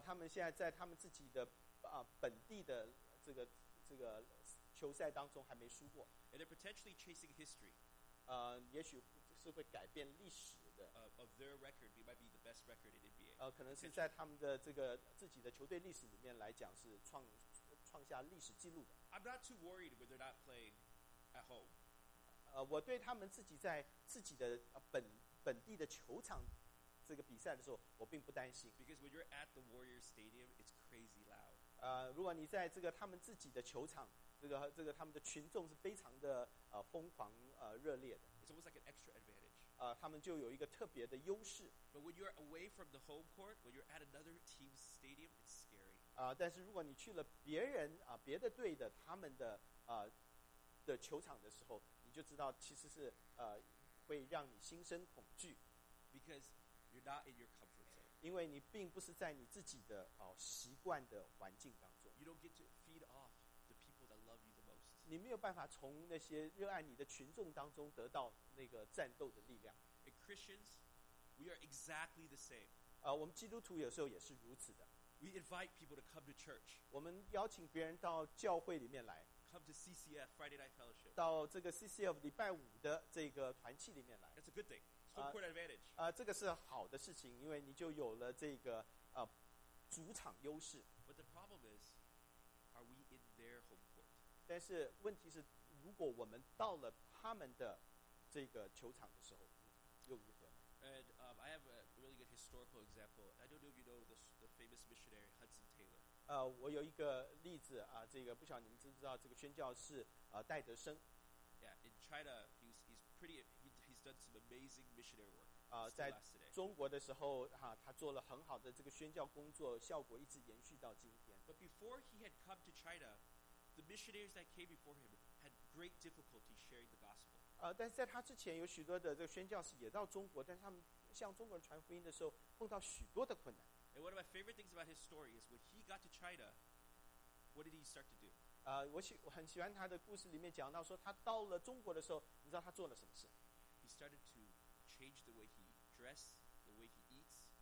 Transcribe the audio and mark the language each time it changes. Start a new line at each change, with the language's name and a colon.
Chinese: 他们现在在他们自己的本地的这个球赛当中还没输过。
English: And they're potentially chasing history.
Chinese: 也许是会改变历史的。
English: Of their record, it might be the best record in NBA.
Chinese: 可能是在他们的这个自己的球队历史里面来讲是创下历史记录的。
English: I'm not too worried when they're not playing at home.
Chinese: 我对他们自己在自己的本地的球场。这个比赛的时候，我并不担心。
English: Because when you're at the Warriors Stadium, it's crazy loud.
Chinese: 如果你在这个他们自己的球场，这个他们的群众是非常的疯狂热烈的。
English: It's almost like an extra advantage.
Chinese: 他们就有一个特别的优势。
English: But when you're away from the home court, when you're at another team's stadium, it's scary.
Chinese: 但是如果你去了别人别的队的他们的球场的时候，你就知道其实是会让你心生恐惧。
English: Because You're not in your comfort zone.
Chinese: 因为你并不是在你自己的习惯的环境当中。
English: You don't get to feed off the people that love you the most.
Chinese: 你没有办法从那些热爱你的群众当中得到那个战斗的力量。
English: And Christians, we are exactly the same.
Chinese: 我们基督徒有时候也是如此的。
English: We invite people to come to church.
Chinese: 我们邀请别人到教会里面来。
English: Come to CCF Friday Night Fellowship.
Chinese: 到这个 CCF 礼拜五的这个团契里面来。
English: That's a good thing. Home court advantage.
Chinese: 这个是好的事情，因为你就有了这个主场优势。
English: But the problem is, are we in their home court?
Chinese: 但是问题是，如果我们到了他们的这个球场的时候，又如何呢？
English: And, I have a really good historical example. I don't know if you know the famous missionary Hudson Taylor.
Chinese: 我有一个例子啊，这个不晓得你们知不知道，这个宣教士戴德生。
English: Yeah, in China, he's pretty. He's done some amazing missionary work.
Chinese: 在中国的时候，哈、啊，他做了很好的这个宣教工作，效果一直延续到今天。
English: But before he had come to China, the missionaries that came before him had great difficulty sharing the gospel.
Chinese: 但是在他之前，有许多的这个宣教士也到中国，但是他们向中国人传福音的时候，碰到许多的困难。
English: And one of my favorite things about his story is when he got to China, what did he start to do?
Chinese: 我很喜欢他的故事里面讲到说，他到了中国的时候，你知道他做了什么事
English: ？He started to change the way he dressed, the way he eats.